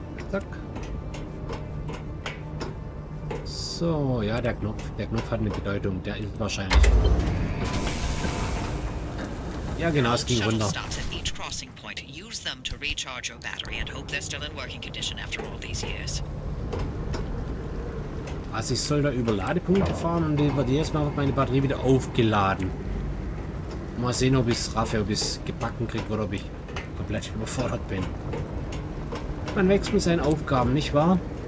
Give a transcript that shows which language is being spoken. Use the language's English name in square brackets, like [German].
[German] Zack. So, ja, der Knopf. Der Knopf hat eine Bedeutung. Der ist wahrscheinlich. Ja, genau, es ging runter. [English] crossing point. Use them to recharge your battery and hope they're still in working condition after all these years. [German] Also ich soll da über Ladepunkte fahren und die wird jedes Mal meine Batterie wieder aufgeladen. Mal sehen, ob ich es raffe, ob ich es gebacken kriege oder ob ich komplett überfordert bin. Man wächst mit seinen Aufgaben, nicht wahr?